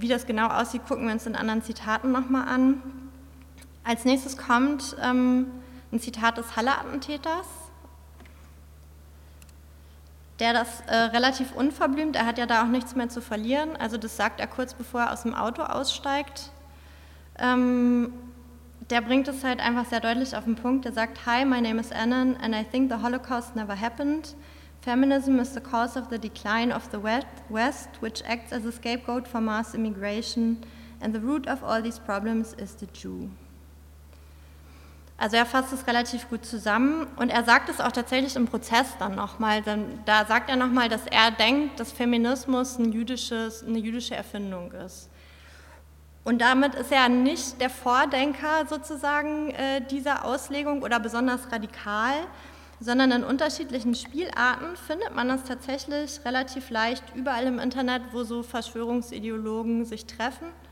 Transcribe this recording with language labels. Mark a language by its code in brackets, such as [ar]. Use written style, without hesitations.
[de] Wie das genau aussieht, gucken wir uns in anderen Zitaten nochmal an. Als nächstes kommt ein Zitat des Halle-Attentäters, der das relativ unverblümt, er hat ja da auch nichts mehr zu verlieren, also das sagt er kurz bevor er aus dem Auto aussteigt. Der bringt es halt einfach sehr deutlich auf den Punkt. Der sagt, [en] hi, my name is Annan and I think the Holocaust never happened. Feminism is the cause of the decline of the West, which acts as a scapegoat for mass immigration and the root of all these problems is the Jew. [de] Also er fasst es relativ gut zusammen und er sagt es auch tatsächlich im Prozess dann nochmal. Da sagt er nochmal, dass er denkt, dass Feminismus eine jüdische Erfindung ist. Und damit ist er nicht der Vordenker sozusagen dieser Auslegung oder besonders radikal, sondern in unterschiedlichen Spielarten findet man das tatsächlich relativ leicht überall im Internet, wo so Verschwörungsideologen sich treffen.